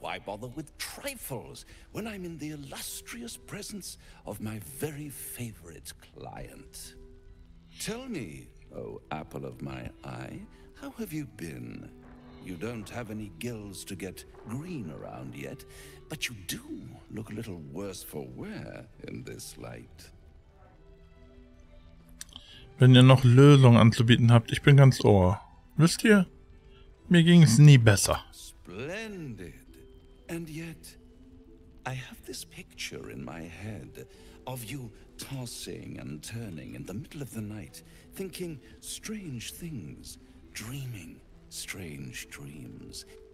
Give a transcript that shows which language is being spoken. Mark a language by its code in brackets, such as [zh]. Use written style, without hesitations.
[en] Why bother with trifles when I'm in the illustrious presence of my very favorite client? Tell me, oh apple of my eye, how have you been? You don't have any gills to get green around yet, but you do look a little worse for wear in this light. [de] Wenn ihr noch Lösungen anzubieten habt, ich bin ganz Ohr. Wisst ihr? Mir ging es nie besser. [en] Splendid. And yet, I have this picture in my head of you tossing and turning in the middle of the night, thinking strange things, dreaming strange dreams.